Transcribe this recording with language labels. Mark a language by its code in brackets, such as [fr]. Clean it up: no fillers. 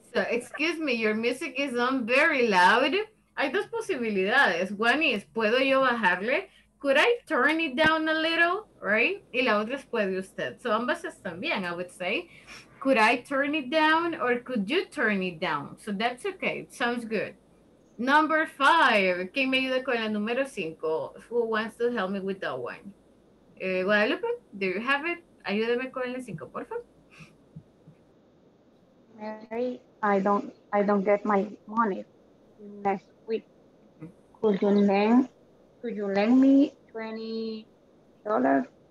[en] So, excuse me, your music is on very loud. [es] Hay dos posibilidades. [en] One is, [es] ¿puedo yo bajarle? [en] Could I turn it down a little, right? [es] Y la otra es, ¿puede usted? [en] So [es] ambas están bien, [en] I would say. Could I turn it down or could you turn it down? So that's okay, it sounds good. Number five, [es] ¿quién me ayuda con la número cinco? [en] Who wants to help me with that one? [es] Guadalupe, [en] do you have it? [es] Ayúdame con la cinco, por favor. [en] Mary, I don't get my money. Next week, could you lend me $20?